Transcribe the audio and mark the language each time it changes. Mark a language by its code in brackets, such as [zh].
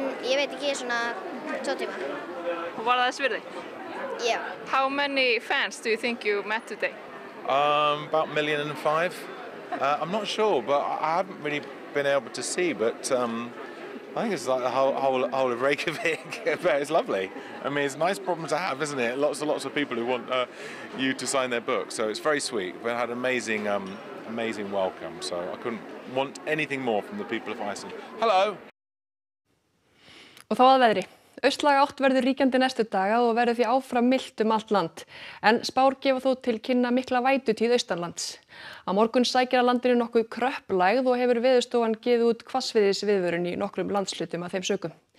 [is] Ég veit ekki, svona tvo tíma. Og var það þess virði? Já. [en] How many fans do you think you met today? About 1,000,005. I'm not sure, but I haven't really been able to see, but I think it's like the whole of Reykjavik, but it's lovely. I mean, it's a nice problem to have, isn't it? Lots of people who want you to sign their book, so it's very sweet. We had an amazing, amazing welcome, so I couldn't want anything more from the people of Iceland. Hello! [is] Og þá að veðri. Austlæg átt verður ríkjandi næstu daga og verður því áfram milt allt land. En spár gefa þó til kynna mikla vætutíð austanlands. Á morgun sækir að landinu nokkuð kröpplægð og hefur veðurstofan gefið út hvassviðisviðvörun í nokkrum landshlutum að þeim sökum.